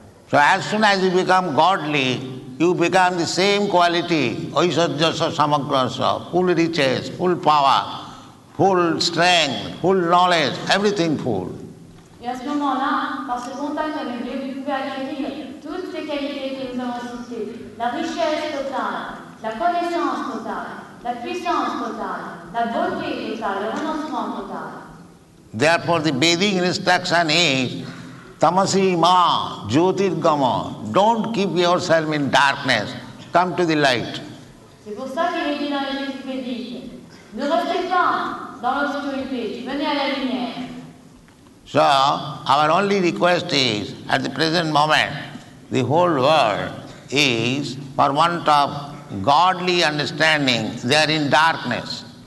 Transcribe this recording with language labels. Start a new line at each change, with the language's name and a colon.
English: So as soon as you become godly, you become the same quality,
Sanskrit: aishajyasa samagrasa,
English: full riches, full power, full strength, full knowledge, everything full.
French: Et à ce moment-là, par ce contact avec Dieu, vous pouvez acquérir toutes les qualités que nous avons citées, la richesse totale, la connaissance totale, la puissance totale, la beauté totale, le renoncement totale.
English: Therefore, the basic instruction is,
Sanskrit: Tamasi ma jyotirgama,
English: don't keep yourself in darkness, come to the light.
French: C'est pour ça qu'il est dit dans les livres védiques, ne restez pas dans l'obscurité, venez à la lumière.
English: So, our only request is, at the present moment, the whole world is, for want of godly understanding, they are in darkness.